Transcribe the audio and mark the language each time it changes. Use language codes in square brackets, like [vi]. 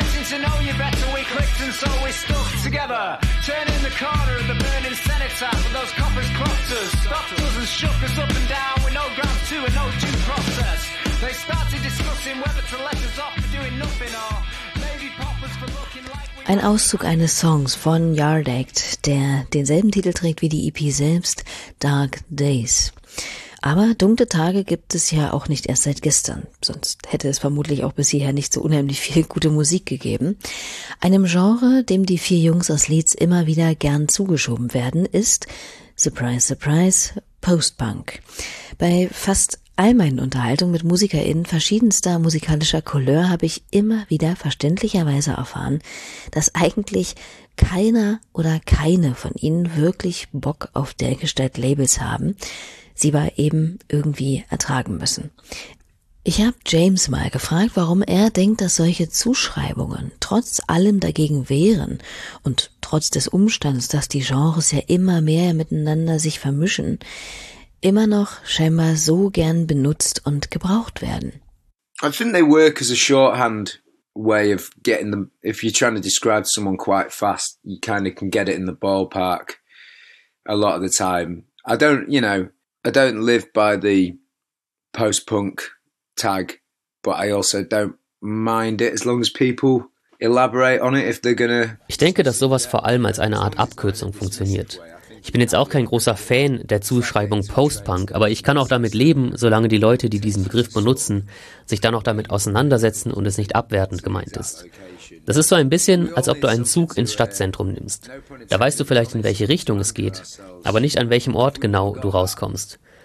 [en] To know you better, we clicked and so we stuck together. Turning the corner of the burning cenotaph, but those coppers clocked us, stopped us and shook us up and down with no ground to and no due process. They started discussing whether to let us off for doing nothing or maybe pop us for looking like. [de] Ein Auszug eines Songs von Yard Act, der denselben Titel trägt wie die EP selbst, Dark Days. Aber dunkle Tage gibt es ja auch nicht erst seit gestern. Sonst hätte es vermutlich auch bis hierher nicht so unheimlich viel gute Musik gegeben. Einem Genre, dem die vier Jungs aus Leeds immer wieder gern zugeschoben werden, ist, [en] surprise, surprise, [de] Postpunk. Bei fast all meinen Unterhaltungen mit MusikerInnen verschiedenster musikalischer Couleur habe ich immer wieder verständlicherweise erfahren, dass eigentlich keiner oder keine von ihnen wirklich Bock auf dergestalt Labels haben, sie war eben irgendwie ertragen müssen. Ich habe James mal gefragt, warum er denkt, dass solche Zuschreibungen trotz allem dagegen wären und trotz des Umstands, dass die Genres ja immer mehr miteinander sich vermischen, immer noch scheinbar so gern benutzt und gebraucht werden. [en] I think they work as a shorthand way of getting them. If you're trying to describe someone quite fast, you kind of can get it in the ballpark a lot of the time. I don't live by the post-punk tag, but I also don't mind it, as long as people elaborate on it, if they're gonna. [de] Ich denke, dass sowas vor allem als eine Art Abkürzung funktioniert. Ich bin jetzt auch kein großer Fan der Zuschreibung Post-Punk, aber ich kann auch damit leben, solange die Leute, die diesen Begriff benutzen, sich dann auch damit auseinandersetzen und es nicht abwertend gemeint ist. Das ist so ein bisschen, als ob du einen Zug ins Stadtzentrum nimmst. Da weißt du vielleicht, in welche Richtung es geht, aber nicht an welchem Ort genau du rauskommst.